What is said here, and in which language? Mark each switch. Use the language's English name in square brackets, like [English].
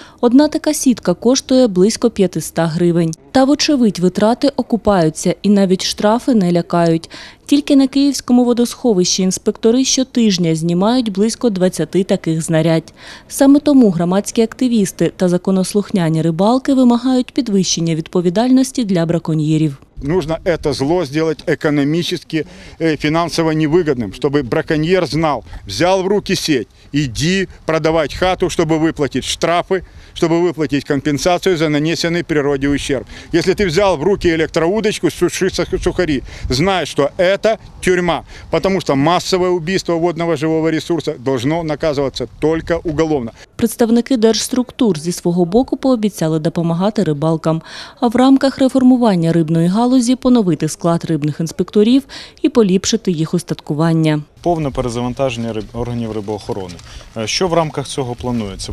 [Ukrainian] Одна така сітка коштує близько 500 гривень. Та вочевидь, витрати окупаються і навіть штрафи не лякають. Тільки на Київському водосховищі інспектори щотижня знімають близько 20 таких знарядь. Саме тому громадські активісти та законослухняні рибалки вимагають підвищення відповідальності для браконьєрів. [Russian] Нужно это зло сделать экономически, финансово невыгодным, чтобы браконьер знал, взял в руки сеть, иди продавать хату, чтобы выплатить штрафы, чтобы выплатить компенсацию за нанесенный природе ущерб. Если ты взял в руки электроудочку, суши сухари, знай, что это тюрьма, потому что массовое убийство водного живого ресурса должно наказываться только уголовно. [Ukrainian] Представники держструктур зі свого боку пообіцяли допомагати рибалкам. А в рамках реформування рибної галузі поновити склад рибних інспекторів і поліпшити їх устаткування. Повне перезавантаження органів рибоохорони. Що в рамках цього планується?